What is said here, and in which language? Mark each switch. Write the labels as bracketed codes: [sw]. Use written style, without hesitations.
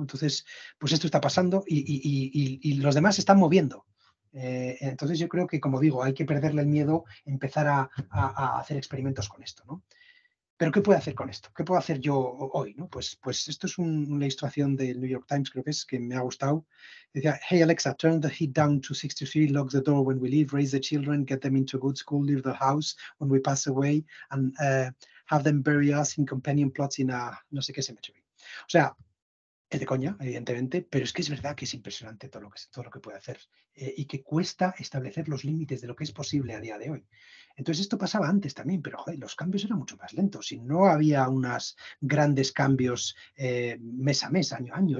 [es] Entonces, pues esto está pasando y los demás se están moviendo. Entonces, yo creo que, como digo, hay que perderle el miedo, empezar a hacer experimentos con esto, ¿no? ¿Pero qué puedo hacer con esto? ¿Qué puedo hacer yo hoy, ¿no? Pues esto es una ilustración del New York Times, creo que es, que me ha gustado. Decía, [en] hey Alexa, turn the heat down to 63, lock the door when we leave, raise the children, get them into a good school, leave the house when we pass away, and have them bury us in companion plots in a [es] no sé qué [en] cemetery. [es] O sea, es de coña, evidentemente, pero es que es verdad que es impresionante todo lo que puede hacer y que cuesta establecer los límites de lo que es posible a día de hoy. Entonces, esto pasaba antes también, pero joder, los cambios eran mucho más lentos y no había unos grandes cambios mes a mes, año a año.